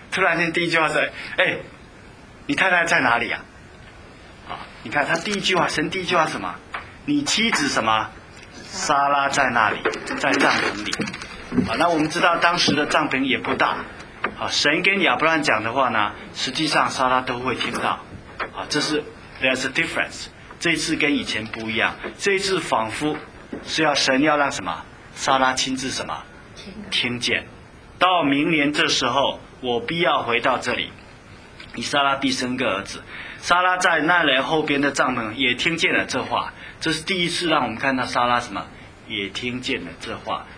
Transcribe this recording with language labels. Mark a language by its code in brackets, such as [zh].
[zh] 突然间第一句话说，哎，你太太在哪里啊？啊，你看他第一句话，神第一句话什么？你妻子什么？撒拉在那里，在帐篷里。啊，那我们知道当时的帐篷也不大。啊，神跟亚伯拉罕讲的话呢，实际上撒拉都会听到。 [en] 啊，这是 there's a difference。 [zh] 这一次跟以前不一样，这一次仿佛是要神要让什么撒拉亲自什么听见，到明年这时候我必要回到这里，以撒拉必生个儿子。撒拉在那人后边的帐篷也听见了这话，这是第一次让我们看到撒拉什么也听见了这话。